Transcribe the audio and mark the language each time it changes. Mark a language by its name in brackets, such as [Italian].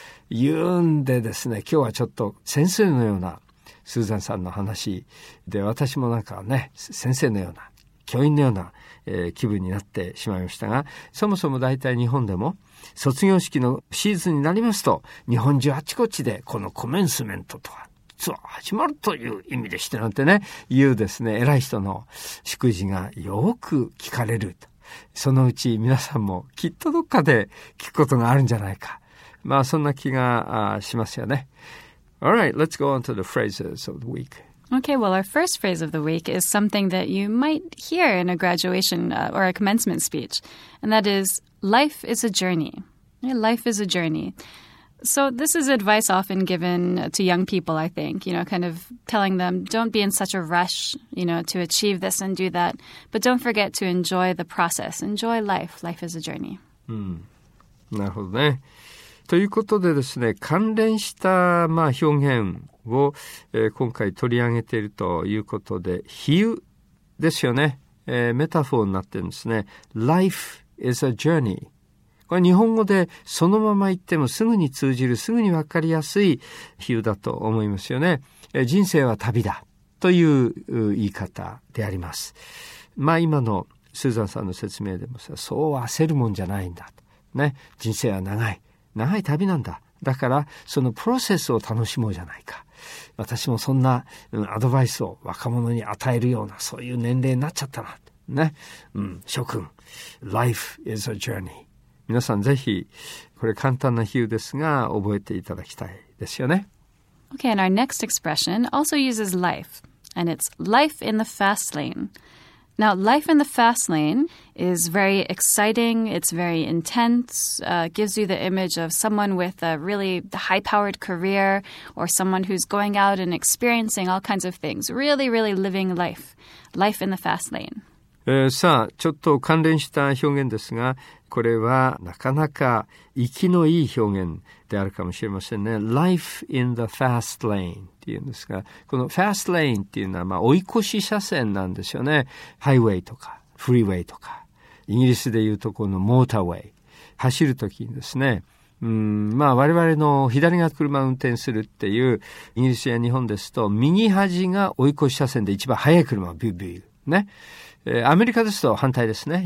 [Japanese] いうんでですね、今日はちょっと先生のようなスーザンさんの話で、私もなんかね、先生のような、教員のような、気分になってしまいましたが、そもそも大体日本でも卒業式のシーズンになりますと、日本中あちこちでこのコメンスメントとは、始まるという意味でしてなんてね、いうですね、偉い人の祝辞がよく聞かれると。そのうち皆さんもきっとどっかで聞くことがあるんじゃないか。まあそんな気がしますよね。 [English] All right, let's go on to the phrases of the week. Okay, well, our first phrase of the week is something that you might hear in a graduation or a commencement speech, and that is, life is a journey. Life is a journey. So this is advice often given to young people, I think, you know, kind of telling them, don't be in such a rush, you know, to achieve this and do that. But don't forget to enjoy the process. Enjoy life. Life is a journey. [Japanese] なるほどね。ということでですね、関連した、まあ、表現を、今回取り上げているということで、比喩ですよね。メタフォーになってるんですね。 [English] Life is a journey. [Japanese] これ日本語でそのまま言ってもすぐに通じる、すぐに分かりやすい比喩だと思いますよね。人生は旅だという言い方であります。まあ今のスーザンさんの説明でもさ、そう焦るもんじゃないんだと、ね、人生は長い長い旅なんだ、だからそのプロセスを楽しもうじゃないか、私もそんなアドバイスを若者に与えるようなそういう年齢になっちゃったな、ね、うん、諸君 [English] Life is a journey。 [Japanese] 皆さんぜひこれ簡単な比喩ですが覚えていただきたいですよね。 [English] OK, and our next expression also uses life, and it's life in the fast lane. Now, life in the fast lane is very exciting, it's very intense, gives you the image of someone with a really high-powered career, or someone who's going out and experiencing all kinds of things, really, really living life, life in the fast lane. [Japanese] さあ、ちょっと関連した表現ですが、これはなかなか息のいい表現であるかもしれませんね。 Life in the fast lane っていうんですが、この fast lane っていうのはまあ追い越し車線なんですよね。ハイウェイとかフリーウェイとか、イギリスでいうとこのモーターウェイ、走るときにですね、まあ我々の左が車を運転するっていう、イギリスや日本ですと右端が追い越し車線で一番速い車をビュービュー、ね、アメリカですと反対ですね。